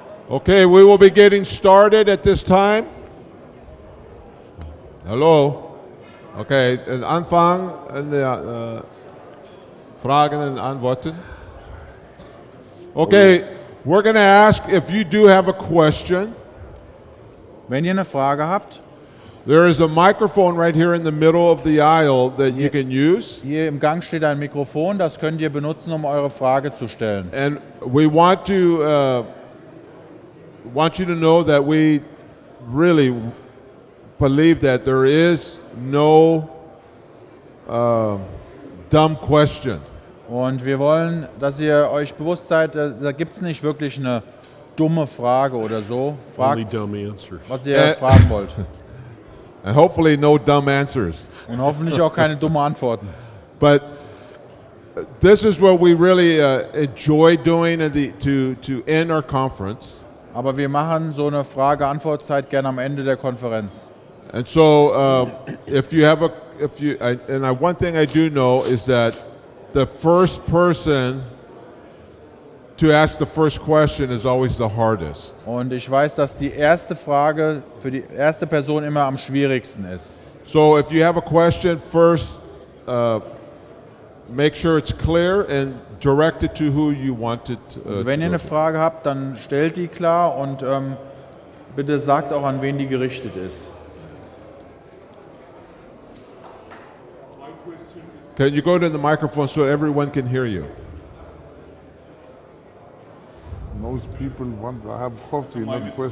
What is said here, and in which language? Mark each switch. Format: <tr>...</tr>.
<en>Okay, we will be getting started at this time. Hello.</en> <de>Okay, den Anfang in der Fragen und Antworten.</de> <en>Okay, we're going to ask if you do have a question.</en> <de>Wenn ihr eine Frage habt.</de> <en>There is a microphone right here in the middle of the aisle that you can use.</en> <de>Hier im Gang steht ein Mikrofon, das könnt ihr benutzen, um eure Frage zu stellen.</de> <en>And we want you to know that we really believe that there is no dumb question.</en> <de>Und wir wollen, dass ihr euch bewusst seid, da gibt's nicht wirklich eine dumme Frage oder so.</de> <en>Fragt, only dumb answers.</en> <de>Was ihr fragen wollt.</de> <en>And hopefully no dumb answers.</en> <de>Und hoffentlich auch keine dumme Antworten.</de> <en>But this is what we really enjoy doing in the, to end our conference.</en> <de>Aber wir machen so eine Frage-Antwort-Zeit gerne am Ende der Konferenz.</de> <en>And so one thing I do know is that the first person to ask the first question is always the hardest.</en> <de>Und ich weiß, dass die erste Frage für die erste Person immer am schwierigsten ist.</de> <en>So if you have a question, first make sure it's clear and direct it to who you want it to.</en> <de>Wenn ihr eine Frage habt, dann stellt die klar und bitte sagt auch, an wen die gerichtet ist.</de> <en>Can you go to the microphone so everyone can hear you? Most people want to have coffee, not questions.</en>